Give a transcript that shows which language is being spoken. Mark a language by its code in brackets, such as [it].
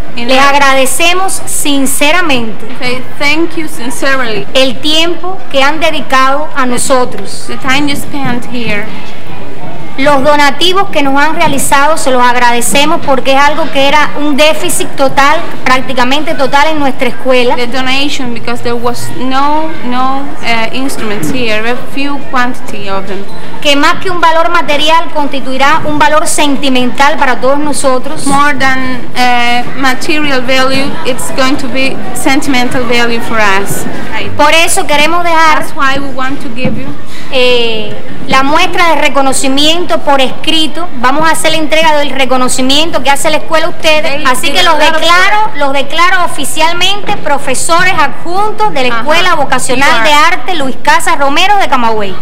[es] les agradecemos sinceramente [en] say thank you sincerely [es] el tiempo que han dedicado a nosotros. [en] The time you spent here. [es] Los donativos que nos han realizado se los agradecemos porque es algo que era un déficit total, prácticamente total en nuestra escuela. [en] The donation because there was no instruments here, a few quantity of them. [es] Que más que un valor material constituirá un valor sentimental para todos nosotros. [en] More than material value, it's going to be sentimental value for us. [es] Por eso queremos dejar [en] that's why we want to give you [es] la muestra de reconocimiento por escrito, vamos a hacer la entrega del reconocimiento que hace la escuela a ustedes, así que los declaro oficialmente profesores adjuntos de la Escuela Vocacional de Arte Luis Casas Romero de Camagüey.